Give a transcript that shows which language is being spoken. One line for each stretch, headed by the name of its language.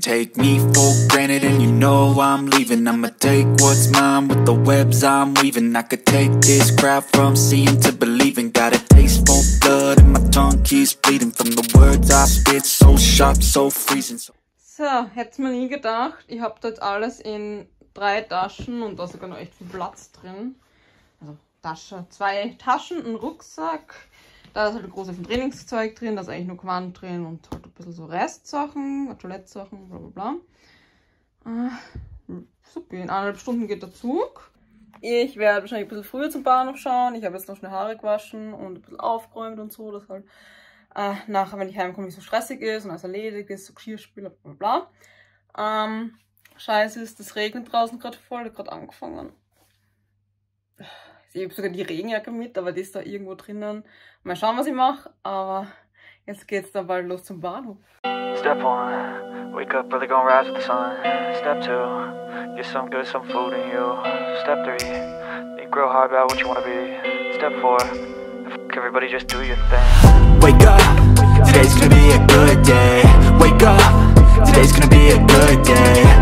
English: Take me for granted and you know I'm leaving. I'ma take what's mine with the webs I'm weaving. I could take this crowd from seeing to believing. Got a taste for blood and my tongue keeps bleeding. From the words I spit, so sharp, so freezing.
German: So so, hätte man nie gedacht. Ich habe dort alles in drei Taschen und da ist sogar noch echt viel Platz drin. Also Tasche, zwei Taschen, ein Rucksack. Da ist halt ein großes Trainingszeug drin, da ist eigentlich nur Quant drin und halt ein bisschen so Restsachen, Toilettsachen, bla bla bla. Super, in 1,5 Stunden geht der Zug. Ich werde wahrscheinlich ein bisschen früher zum Bahnhof schauen. Ich habe jetzt noch schnell Haare gewaschen und ein bisschen aufgeräumt und so, das halt. Nachher, wenn ich heimkomme, nicht so stressig ist und alles erledigt ist, so Geschirrspüler, bla bla. Scheiße ist, das regnet draußen gerade voll, hat gerade angefangen. Ich habe sogar die Regenjacke mit, aber die ist da irgendwo drinnen. Mal schauen, was ich mache, aber jetzt geht's dann bald los zum Bahnhof.
English: Step 1, wake up, really gonna rise with the sun. Step 2, get some good, some food in you. Step 3, think real hard about what you wanna be. Step 4, fuck everybody, just do your thing. Wake up, today's gonna be a good day. Wake up, today's gonna be a good day.